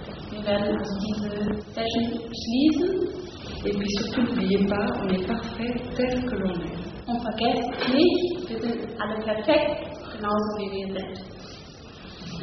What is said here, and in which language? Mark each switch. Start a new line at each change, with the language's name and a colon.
German: Wir werden diese Session schließen.
French: Et puis surtout, n'oubliez pas, on est parfait tel que l'on est.
German: On vergesst nicht, wir sind alle perfekt, genauso wie wir sind.